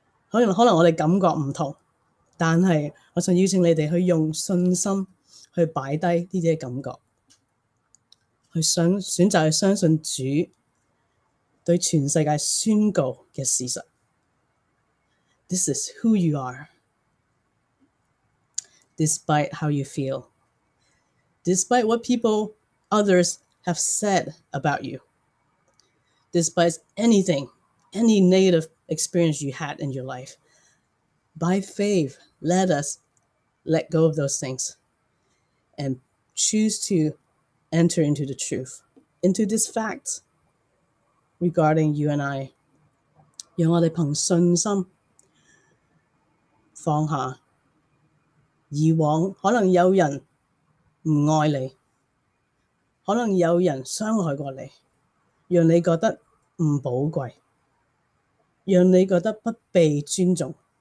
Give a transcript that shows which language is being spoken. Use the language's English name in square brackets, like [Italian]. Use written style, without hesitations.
[Chinese] 可能我们感觉不同，但是我想邀请你们去用信心去摆低这些感觉，去选择去相信主对全世界宣告的事实。 [English] This is who you are, despite how you feel, despite what people others have said about you, despite anything, any negative experience you had in your life. By faithLet us let go of those things and choose to enter into the truth, into this fact regarding you and I. [Chinese] 让我们凭信心放下以往可能有人不爱你，可能有人伤害过你，让你觉得不宝贵，让你觉得不被尊重。